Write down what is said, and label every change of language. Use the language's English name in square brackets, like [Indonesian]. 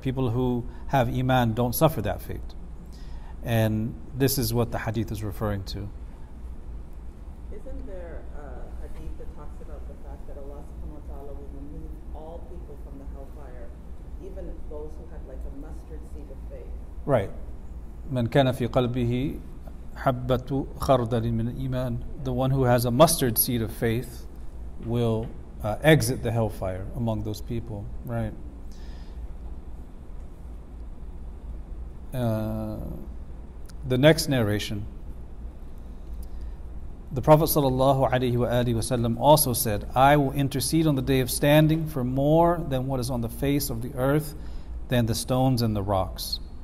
[English] People who have Iman don't suffer that fate. And this is what the hadith is referring to. Isn't there a hadith that talks about the fact that Allah subhanahu wa ta'ala will remove all people from the hellfire, even those who had like a mustard seed of faith? Right. [Arabic] من كان في قلبه حبة خردل من إيمان. [English] The one who has a mustard seed of faith will exit the hellfire among those people, right? The next narration, the Prophet sallallahu alaihi wa alihi wasallam also said, I will intercede on the day of standing for more than what is on the face of the earth, than the stones and the rocks.